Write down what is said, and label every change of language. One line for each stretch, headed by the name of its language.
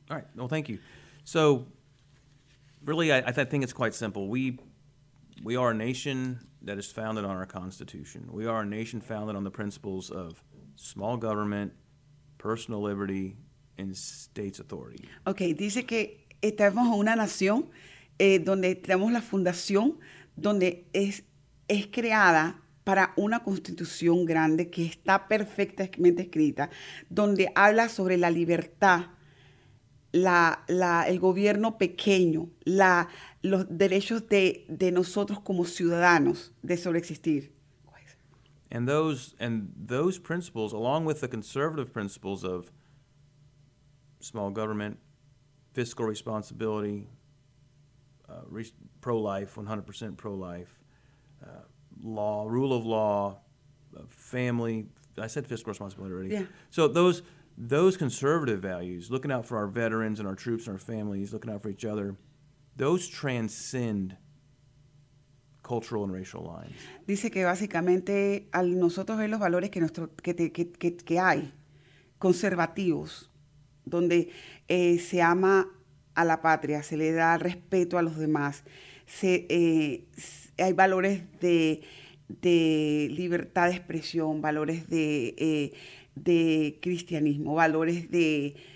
English: All right. Well, thank you. So, really, I think it's quite simple. We are a nation that is founded on our Constitution. We are a nation founded on the principles of small government, personal liberty, and state's authority.
Spanish: Okay, dice que estamos en una nación donde tenemos la fundación, donde es creada para una constitución grande que está perfectamente escrita, donde habla sobre la libertad, el gobierno pequeño, los derechos de nosotros como ciudadanos de sobreexistir.
English: And those principles, along with the conservative principles of small government, fiscal responsibility, pro-life, 100% pro-life, law, rule of law, family. I said fiscal responsibility already. Yeah. So those conservative values, looking out for our veterans and our troops and our families, looking out for each other, those transcend cultural and racial lines.
Spanish: Dice que básicamente al nosotros ver los valores que hay conservativos, donde se ama a la patria, se le da respeto a los demás, hay valores de libertad de expresión, valores de cristianismo, valores de